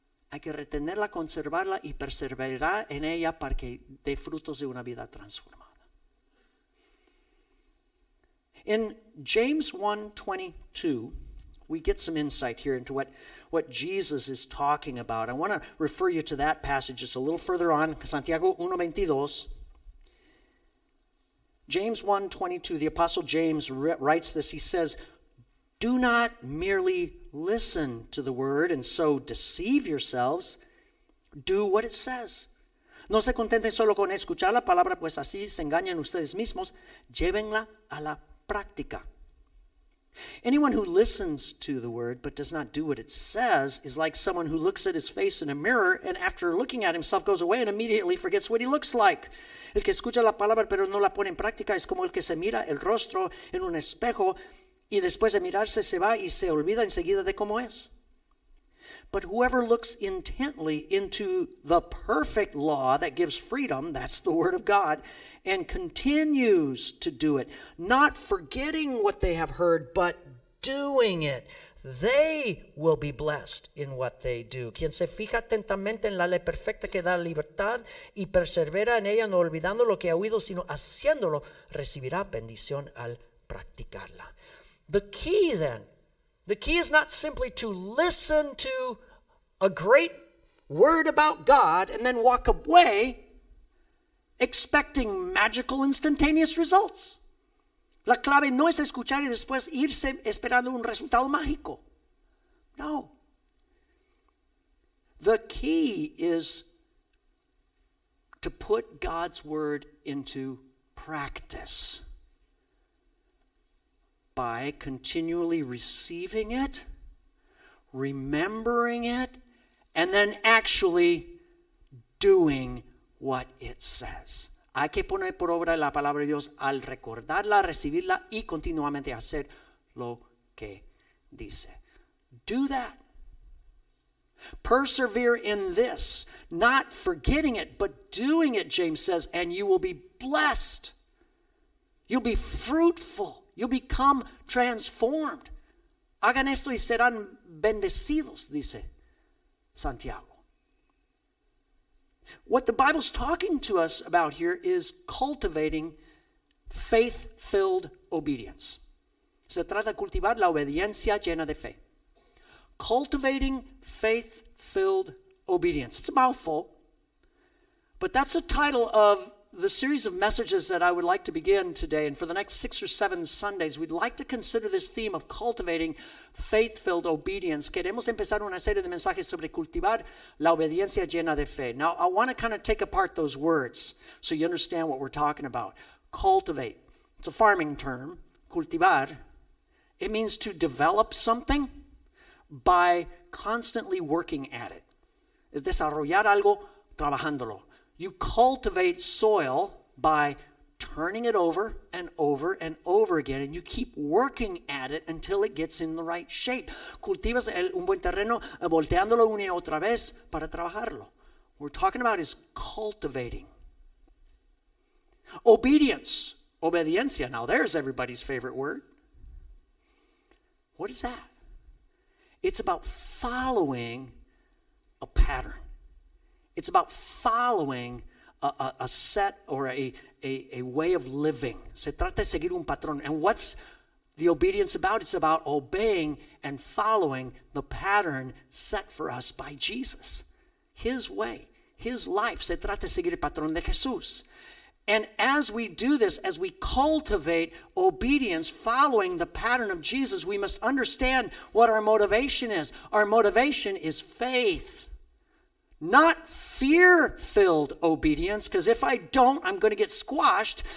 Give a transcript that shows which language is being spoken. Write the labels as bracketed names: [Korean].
[Spanish] Hay que retenerla, conservarla y perseverar en ella para que dé frutos de una vida transformada. [English] In James 1:22, we get some insight here into what Jesus is talking about. I want to refer you to that passage just a little further on, Santiago 1:22. James 1:22, the Apostle James writes this. He says, "Do not merely listen to the word and so deceive yourselves. Do what it says. [Spanish] No se contenten solo con escuchar la palabra, pues así se engañan ustedes mismos. Llévenla a la práctica." [English] Anyone who listens to the word but does not do what it says is like someone who looks at his face in a mirror and after looking at himself goes away and immediately forgets what he looks like. [Spanish] El que escucha la palabra pero no la pone en práctica es como el que se mira el rostro en un espejo y después de mirarse se va y se olvida enseguida de cómo es. [English] But whoever looks intently into the perfect law that gives freedom, that's the word of God, and continues to do it, not forgetting what they have heard, but doing it, they will be blessed in what they do. [Spanish] Quien se fija atentamente en la ley perfecta que da libertad y persevera en ella, no olvidando lo que ha oído, sino haciéndolo, recibirá bendición al practicarla. [English] The key then, the key is not simply to listen to a great word about God and then walk away expecting magical instantaneous results. [Spanish] La clave no es escuchar y después irse esperando un resultado mágico. [English] No. The key is to put God's word into practice by continually receiving it, remembering it, and then actually doing what it says. [Spanish] Hay que poner por obra la palabra de Dios al recordarla, recibirla y continuamente hacer lo que dice. [English] Do that. Persevere in this, not forgetting it, but doing it, James says, and you will be blessed. You'll be fruitful. You'll become transformed. [Spanish] Hagan esto y serán bendecidos, dice Santiago. [English] What the Bible's talking to us about here is cultivating faith-filled obedience. [Spanish] Se trata de cultivar la obediencia llena de fe. [English] Cultivating faith-filled obedience. It's a mouthful, but that's the title of the series of messages that I would like to begin today, and for the next 6 or 7 Sundays, we'd like to consider this theme of cultivating faith-filled obedience. [Spanish] Queremos empezar una serie de mensajes sobre cultivar la obediencia llena de fe. [English] Now, I want to kind of take apart those words so you understand what we're talking about. Cultivate. It's a farming term. Cultivar. It means to develop something by constantly working at it. [Spanish] Es desarrollar algo trabajándolo. [English] You cultivate soil by turning it over and over and over again, and you keep working at it until it gets in the right shape. [Spanish] Cultivas un buen terreno volteándolo una y otra vez para trabajarlo. [English] What we're talking about is cultivating. Obedience. Obediencia. Now there's everybody's favorite word. What is that? It's about following a pattern. It's about following a set or a way of living. [Spanish] Se trata de seguir un patrón. [English] And what's the obedience about? It's about obeying and following the pattern set for us by Jesus. His way, his life. [Spanish] Se trata de seguir el patrón de Jesús. [English] And as we do this, as we cultivate obedience, following the pattern of Jesus, we must understand what our motivation is. Our motivation is faith. Not fear-filled obedience, because if I don't, I'm going to get squashed.